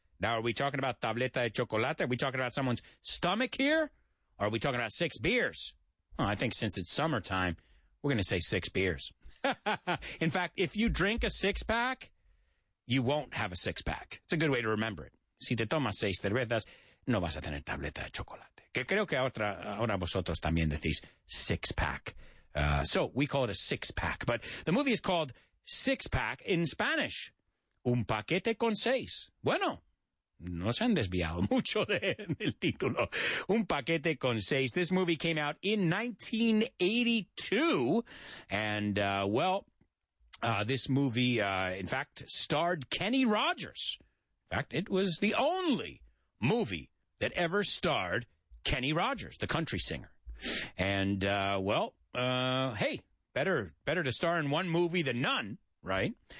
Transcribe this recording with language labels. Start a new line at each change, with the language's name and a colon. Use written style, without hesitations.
English: Now, are we talking about
Spanish: tableta de chocolate?
English: Are we talking about someone's stomach here? Or are we talking about six beers? Well, I think since it's summertime, we're going to say six beers. In fact, if you drink a six pack, you won't have a six pack. It's a good way to remember it.
Spanish: Si te tomas seis cervezas, no vas a tener tableta de chocolate. Que creo que ahora vosotros también decís six pack.
English: So we call it a six pack. But the movie is called Six Pack in Spanish.
Spanish: Un paquete con seis. Bueno, no se han desviado mucho del título. Un paquete con seis.
English: This movie came out in 1982. And, this movie, in fact, starred Kenny Rogers. In fact, it was the only movie that ever starred Kenny Rogers, the country singer. And, hey, better to star in one movie than none, right?